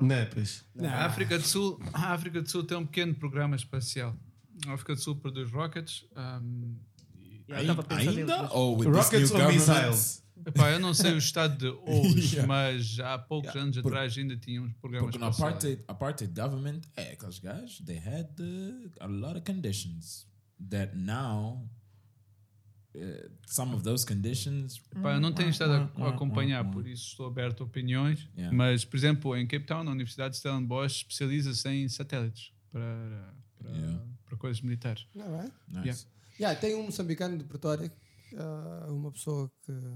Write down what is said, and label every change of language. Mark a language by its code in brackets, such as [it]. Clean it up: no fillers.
[pt] Não é, pois. A África do Sul tem um pequeno programa espacial. A África do Sul produz rockets. [en] Rockets or missiles? [pt] Epá, eu não sei o estado de hoje, mas há poucos anos atrás ainda tínhamos programas espaciais. [en] Porque no apartheid government, [pt] aqueles gajos, [en] they had a lot of conditions that now, some of those conditions... [pt] Epá, eu não tenho estado a acompanhar, por isso estou aberto a opiniões, mas, por exemplo, em Cape Town, a Universidade de Stellenbosch especializa-se em satélites para coisas militares. Não é? Nice. Tem um moçambicano de Pretória, uma pessoa que...